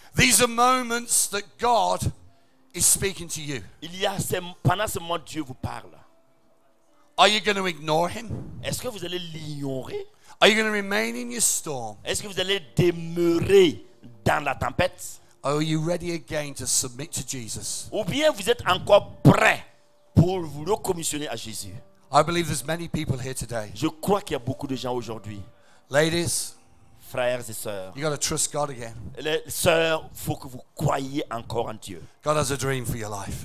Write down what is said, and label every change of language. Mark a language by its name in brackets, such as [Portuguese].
[English] These are moments that God is speaking to you. [French] Il y a pendant ce moment Dieu vous parle. [English] Are you going to ignore him? [French] Est-ce que vous allez l'ignorer? [English] Are you going to remain in your storm? [French] Est-ce que vous allez demeurer dans la tempête? [English] Are you ready again to submit to Jesus? [French] Ou bien vous êtes encore prêt pour vous recommissionner à Jésus? [English] I believe there's many people here today. [French] Je crois qu'il y a beaucoup de gens aujourd'hui. [English] Ladies, [French] frères et sœurs, [English] you got to trust God again. [French] Sœurs, faut que vous croyiez encore en Dieu. [English] God has a dream for your life.